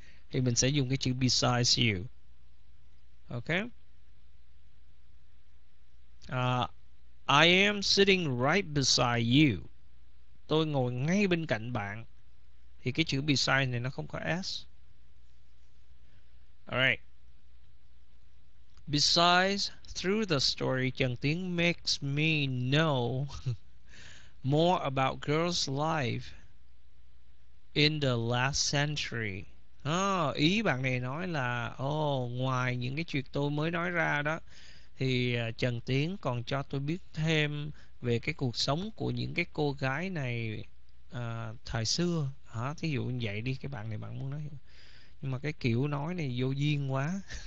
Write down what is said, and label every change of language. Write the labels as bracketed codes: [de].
[vi] Thì mình sẽ dùng cái chữ [en] besides you. [vi] Okay? [en] I am sitting right beside you. [vi] Tôi ngồi ngay bên cạnh bạn. Thì cái chữ beside này nó không có s. [en] Alright. Besides, through the story, Trần Tiến makes me know more about girls' life in the last century. [vi] À, ý bạn này nói là ngoài những cái chuyện tôi mới nói ra đó, thì Trần Tiến còn cho tôi biết thêm về cái cuộc sống của những cái cô gái này thời xưa. Hả? Thí dụ như vậy đi, cái bạn này bạn muốn nói. Nhưng mà cái kiểu nói này vô duyên quá.